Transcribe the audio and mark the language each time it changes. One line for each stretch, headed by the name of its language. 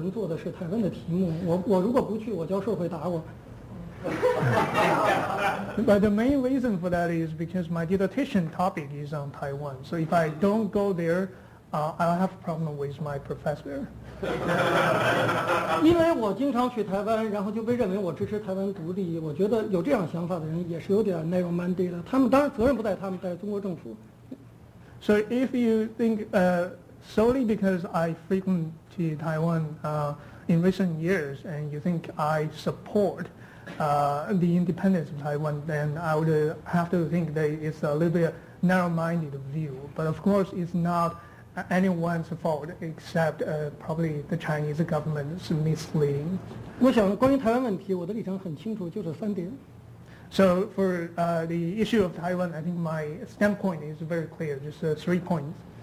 Chinese: 但是这个主要的原因是因为我自己的博士论文做的是台湾的题目，我如果不去，我教授会打我。
English: But the main reason for that is because my dissertation topic is on Taiwan, so if I don't go there, I'll have a problem with my professor.
Chinese: 因为我经常去台湾，然后就被认为我支持台湾独立。我觉得有这样想法的人也是有点
English: narrow-minded
Chinese: 的。他们当然责任不在他们，在中国政府。
English: So if you think solely because I frequent to Taiwan in recent years, and you think I support the independence of Taiwan, then I would have to think that it's a little bit narrow-minded view. But of course, it's not anyone's fault except probably the Chinese government's misleading.
Chinese: 我想关于台湾问题，我的立场很清楚，就是三点。
English: So for the issue of Taiwan, I think my standpoint is very clear, just three points.